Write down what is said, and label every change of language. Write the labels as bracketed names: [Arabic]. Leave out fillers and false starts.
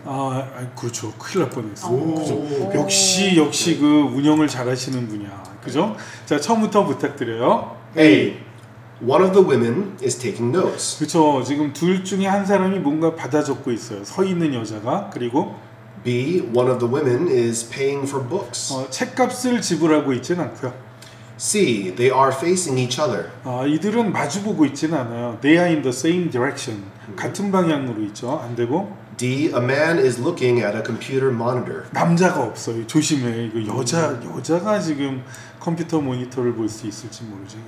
[Korean] 아, 그렇죠. 큰일 날 뻔했어. 역시 역시 그 운영을 잘하시는 분이야. 그죠? 자, 처음부터 부탁드려요. [English] A. One of the women is taking notes. [Korean] 그렇죠. 지금 둘 중에 한 사람이 뭔가 받아 적고 있어요. 서 있는 여자가. 그리고 [English] B. One of the women is paying for books. [Korean] 책값을 지불하고 있지는 않고요. [English] C. They are facing each other. [Korean] 이들은 마주 보고 있지는 않아요. [English] They are in the same direction. [Korean] 같은 방향으로 있죠. 안 되고 [English] D. A man is looking at a computer monitor. [Korean] 남자가 없어요. 조심해. 이거 여자 여자가 지금 컴퓨터 모니터를 볼 수 있을지 모르죠.